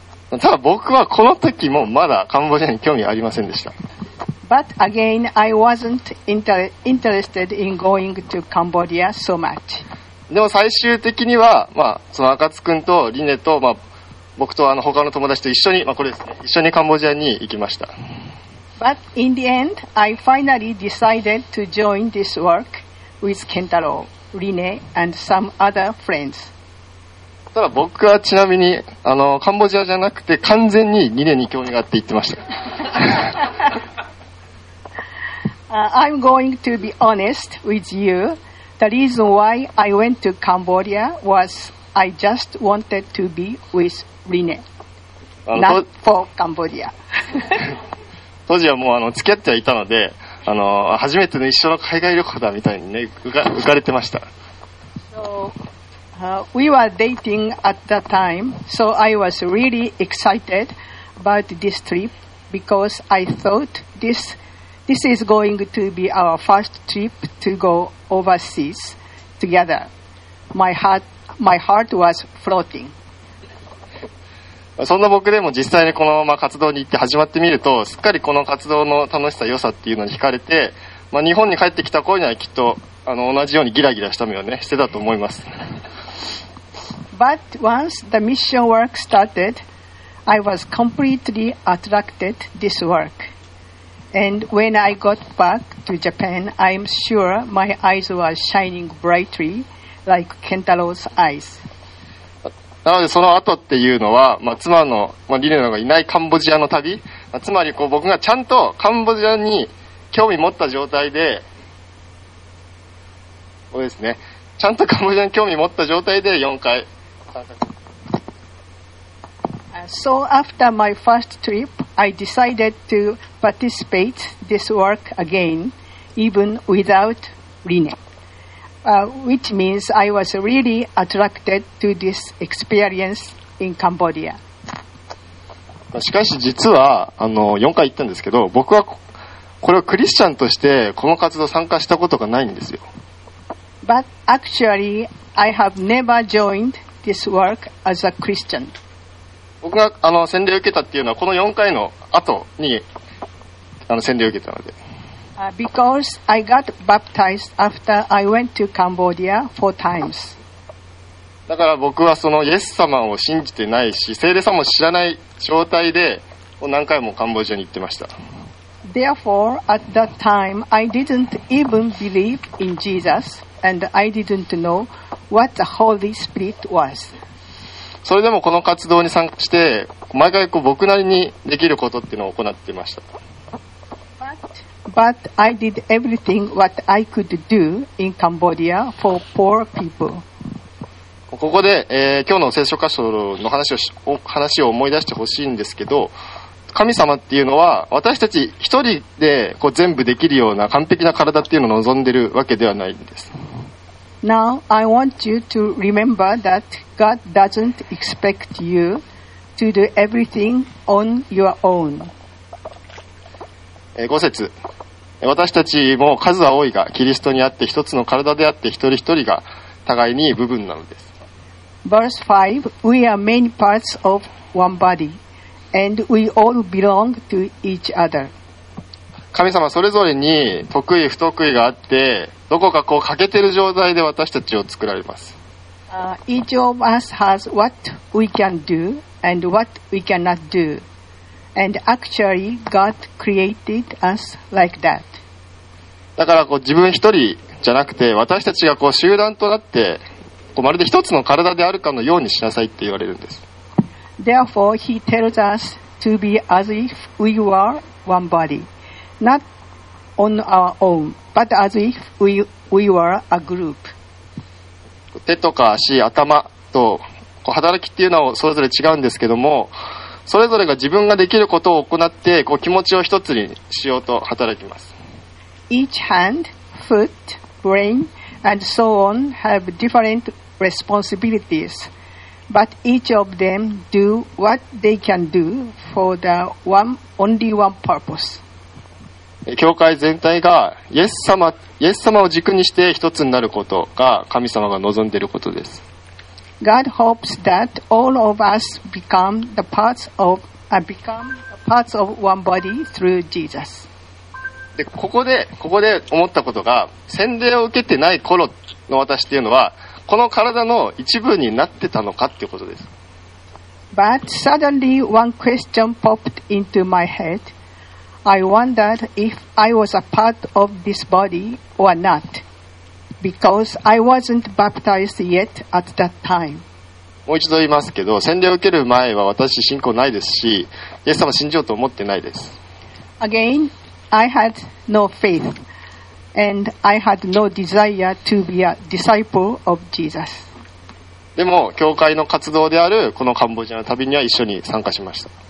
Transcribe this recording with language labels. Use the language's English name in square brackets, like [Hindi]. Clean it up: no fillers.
[Japanese] ただ僕はこの時もまだカンボジアに興味ありませんでした。 [English] But again, I wasn't interested in going to Cambodia so much. [Japanese] でも最終的には、その赤津くんとリネと、僕と他の友達と一緒に、これですね、一緒にカンボジアに行きました。 [English] But in the end, I finally decided to join this work with Kentaro, Rine, and some other friends. [Japanese] ただ僕はちなみにあのカンボジアじゃなくて完全に2年に興味があって行ってました。 [English] I'm going to be honest with you. The reason why I went to Cambodia was I just wanted to be with Rene, not for Cambodia. [Japanese] 当時はもうあの付き合ってはいたので、あの初めての一緒の海外旅行だみたいにね浮かれてました。 [English] We were dating at that time, so I was really excited about this trip because I thought this is going to be our first trip to go overseas together. My heart was floating. [Japanese] そんな僕でも実際にこのまま活動に行って始まってみると、すっかりこの活動の楽しさ良さっていうのに惹かれて、まあ、日本に帰ってきた頃にはきっとあの同じようにギラギラした目をねしてたと思います。 [English] But once the mission work started, I was completely attracted to this work. And when I got back to Japan, I'm sure my eyes were shining brightly like Kentaro's eyes. [Japanese] なのでその後っていうのは、まあ、妻の、まあ、リネのがいないカンボジアの旅、つまりこう僕がちゃんとカンボジアに興味持った状態で、これですね、ちゃんとカンボジアに興味持った状態で4回。 [English] So after my first trip, I decided to participate this work again, even without Rene, which means I was really attracted to this experience in Cambodia. [Japanese] しかし実はあの4回行ったんですけど、僕はこれをクリスチャンとしてこの活動参加したことがないんですよ。 [English] But actually, I have never joined this work as a Christian. [Japanese] 僕があの洗礼を受けたっていうのはこの4回の後にあの洗礼を受けたので。 [English] Because I got baptized after I went to Cambodia four times. [Japanese] だから僕はそのイエス様を信じてないし、聖霊様も知らない状態で何回もカンボジアに行ってました。 [English] Therefore, at that time, I didn't even believe in Jesus, and I didn't know what the Holy Spirit was. [Japanese] それでもこの活動に参加して、毎回こう僕なりにできることっていうのを行っていました。 [English] But I did everything what I could do in Cambodia for poor people. [Japanese] ここで、今日の聖書箇所の話を思い出してほしいんですけど、神様っていうのは私たち一人でこう全部できるような完璧な体っていうのを望んでるわけではないんです。 [English] Now I want you to remember that God doesn't expect you to do everything on your own. [Japanese] 5節、私たちも数は多いが、キリストにあって一つの体であって一人一人が互いに部分なのです。 [English] Verse 5, we are many parts of one body, and we all belong to each other. [Japanese] 神様それぞれに得意不得意があって、どこかこう欠けてる状態で私たちを作られます。 [English] Each of us has what we can do and what we cannot do. And actually, God created us like that. [Japanese] だからこう自分一人じゃなくて、私たちがこう集団となって、こうまるで一つの体であるかのようにしなさいって言われるんです。 [English] Therefore, he tells us to be as if we were one body, not on our own. But as if we were a group. [Japanese] 手とか足、頭とこう働きっていうのはそれぞれ違うんですけども、それぞれが自分ができることを行って、こう気持ちを一つにしようと働きます。 [English] Each hand, foot, brain, and so on have different responsibilities, but each of them do what they can do for the one, only one purpose. [Japanese] 教会全体がイエス様を軸にして一つになることが神様が望んでいることです。 [English] God hopes that all of us become the parts of, become the parts of one body through Jesus. [Japanese] で、ここで思ったことが、洗礼を受けてない頃の私っていうのはこの体の一部になってたのかっていうことです。 [English] But suddenly one question popped into my headI wondered if I was a part of this body or not, because I wasn't baptized yet at that time. [Japanese] もう一度言いますけど、洗礼を受ける前は私信仰ないですし、イエス様信じようと思ってないです。 [English] Again, I had no faith, and I had no desire to be a disciple of Jesus. [Japanese] でも教会の活動であるこのカンボジアの旅には一緒に参加しました。